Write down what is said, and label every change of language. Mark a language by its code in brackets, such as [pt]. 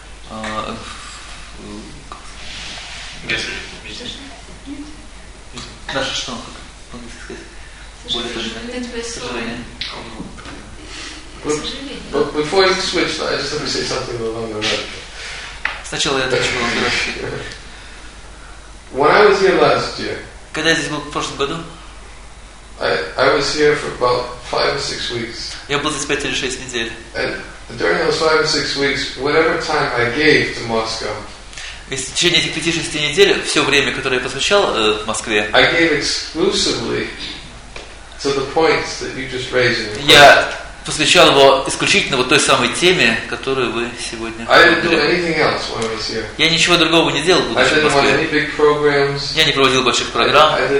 [en] But before you switch, I just have to say something along the way. [ru] Сначала я хочу вам говорить. [en] When I was here last year. [ru] Когда я здесь был в прошлом году? [en] I was here for about 5 or 6 weeks. [ru] Я был здесь 5 или 6 недель. [en] And during those 5 or 6 weeks, whatever time I gave to Moscow. [ru] в течение этих 5-6 недель, все время, которое я посвящал в Москве, я посвящал его исключительно вот той самой теме, которую вы сегодня говорили. Я ничего другого не делал, будучи в Москве. Я не проводил больших программ.